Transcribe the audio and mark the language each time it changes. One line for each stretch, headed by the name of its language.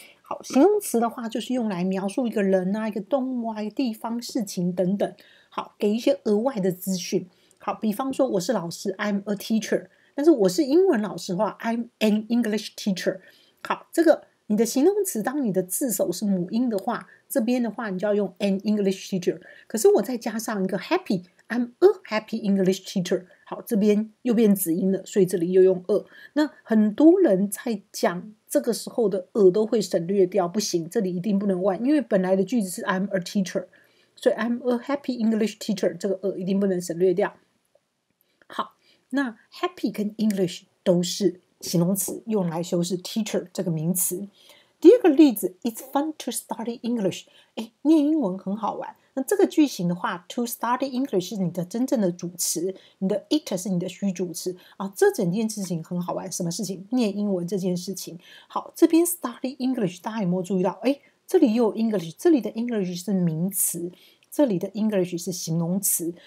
Chinese: 好，形容词的话就是用来描述一个人啊、一个动物啊、一个地方、事情等等。好，给一些额外的资讯。好，比方说我是老师 ，
English: I'm a teacher。
Chinese: 但是我是英文老师的话 ，
English: I'm an English teacher。
Chinese: 好，这个你的形容词，当你的字首是母音的话，这边的话你就要用
English: an English teacher。
Chinese: 可是我再加上一个 happy，
English: I'm a happy English teacher。
Chinese: 好，这边又变子音了，所以这里又用 a。那很多人在讲这个时候的 a 都会省略掉，不行，这里一定不能忘，因为本来的句子是
English: I'm a teacher，
Chinese: 所以
English: I'm a happy English teacher，
Chinese: 这个 a 一定不能省略掉。好，那 happy 跟 English 都是形容词，用来修饰 teacher 这个名词。第二个例子 ，
English: It's fun to study English。
Chinese: 哎，念英文很好玩。那这个句型的话 ，
English: to study English
Chinese: 是你的真正的主词，你的 it 是你的虚主词啊。这整件事情很好玩，什么事情？念英文这件事情。好，这边
English: study English，
Chinese: 大家有没有注意到？哎，这里又有 English， 这里的 English 是名词，这里的 English 是形容词。